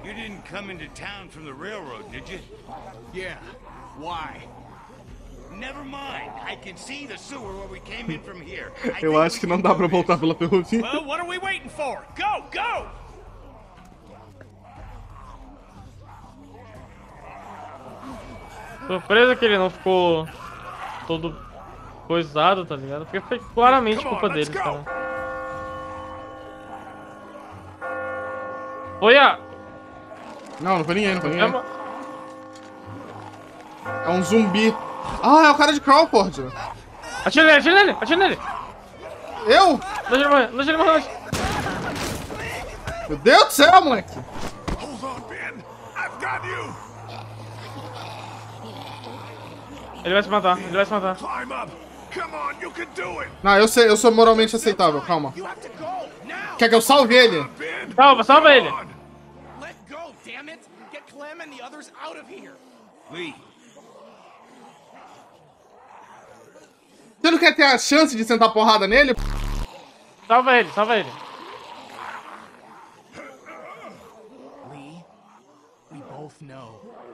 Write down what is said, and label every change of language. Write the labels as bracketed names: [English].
[English] You didn't come into town from the railroad, did you? Yeah. Why? Never mind. I can see the sewer where we came in from here. [Portuguese] Eu acho que não dá pra voltar pela ferrovia. [English] Well, what are we waiting for? Go, go! [Portuguese] Surpresa que ele não ficou todo coisado, tá ligado? Porque foi claramente on, culpa dele, cara. Oi, a... Não, não foi ninguém, não foi ninguém. É um zumbi. Ah, é o cara de Crawford. Atira nele, atira nele, atira nele. Eu? Deixa ele morrer, deixa ele morrer. Meu Deus do céu, moleque. [English] Hold on, Ben. I've got you. [Portuguese] Ele vai se matar, ele vai se matar. [English] Come on, you can do it. [Portuguese] Não, eu sei, eu sou moralmente aceitável, calma. Quer que eu salve ele? Salva, salva ele. [English] Let go, damn it. Get Clem and the others out of here. Lee. [Portuguese] Você não quer ter a chance de sentar porrada nele? Salva ele, salva ele. [English] Lee, we both know.